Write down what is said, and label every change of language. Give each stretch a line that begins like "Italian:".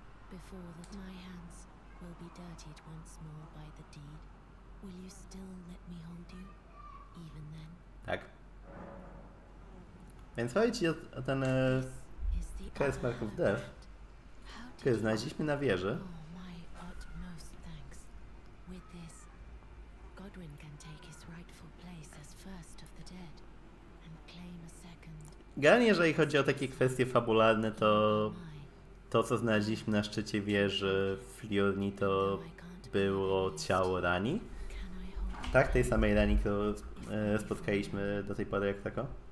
English: Before that my hands will be dirtied once more by the deed, will you still let me hold you, even then?
Polish: Tak. Więc chodzi o ten Curse Mark of Death, który znaleźliśmy na wieży.
English: Oh, my utmost thanks. With this, Godwin can take his rightful place as first of the dead and claim a second.
Polish: Generalnie, jeżeli chodzi o takie kwestie fabularne, to to, co znaleźliśmy na szczycie wieży w Liurni, to było ciało Rani. Tak, tej samej Rani, którą spotkaliśmy do tej pory, jak tako.